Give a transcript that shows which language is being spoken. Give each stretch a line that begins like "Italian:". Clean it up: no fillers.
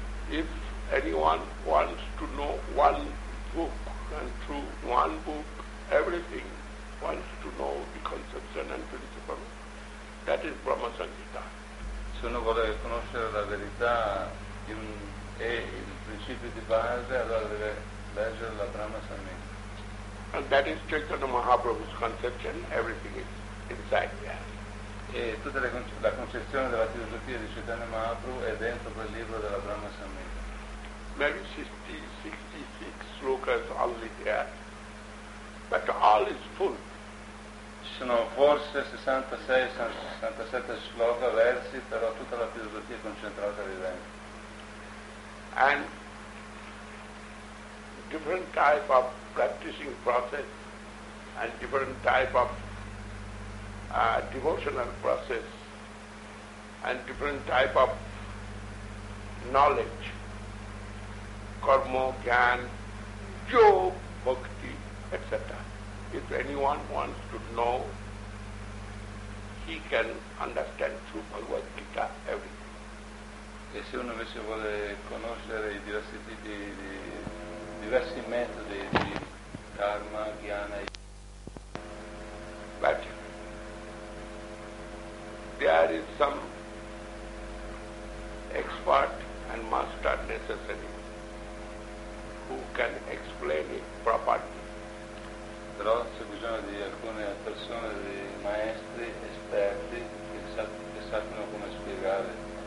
English: If anyone wants to know one book, and through one book, everything wants to know the conception and principle, that is Brahma Sangita.
Italian: Se uno vuole conoscere la verità e il principio di base, allora deve leggere la Brahma Sangita.
English: And that is Chaitanya Mahaprabhu's conception, everything is inside there.
Italian: E tutta la concezione della filosofia di Chaitanya Mahaprabhu è dentro quel libro della Brahma Samhita.
English: Maybe 66 slokas only there, but all is full.
Italian: Ci sono forse 66-67 sloka versi, però tutta la filosofia è concentrata lì dentro.
English: And different type of practicing process and different type of devotional process and different type of knowledge, karma, gyan, yoga, bhakti, etc. If anyone wants to know, he can understand through Bhagavad Gita everything.
Italian: E se uno invece vuole conoscere i diversi tipi di diversi metodi di karma, gyana, yoga.
English: There is some expert and master necessary who can explain it properly.
Italian: Però c'è bisogno di alcune persone, di maestri, esperti, che sappiano come spiegare.